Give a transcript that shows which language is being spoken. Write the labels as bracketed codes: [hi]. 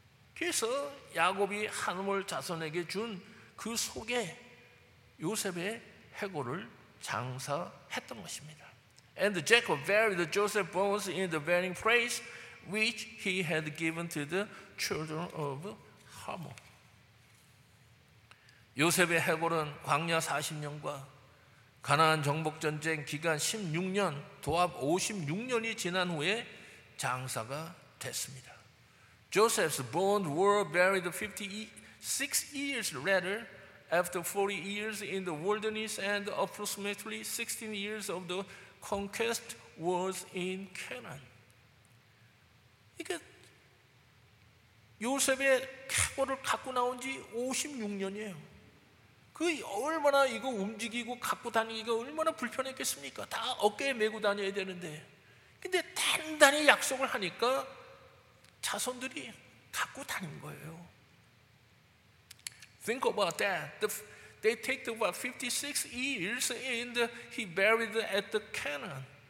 [ko] 그래서 야곱이 하늘물 자손에게 준 그 속에 요셉의 해골을 장사했던 것입니다. [en] And Jacob buried Joseph's bones in the burying place which he had given to the children of Hamor. [ko] 요셉의 해골은 광야 40년과 가나안 정복전쟁 기간 16년, 도합 56년이 지난 후에 장사가 됐습니다. [en] Joseph's bones were buried 56 years later after 40 years in the wilderness and approximately 16 years of the conquest was in Canaan. [ko] 이게 요셉의 해골을 갖고 나온 지 56년이에요. 그 얼마나 이거 움직이고 갖고 다니기가 얼마나 불편했겠습니까? 다 어깨에 메고 다녀야 되는데. 근데 단단히 약속을 하니까 자손들이 갖고 다닌 거예요. [en] Think about that. They take about 56 years and he buried at the Canaan.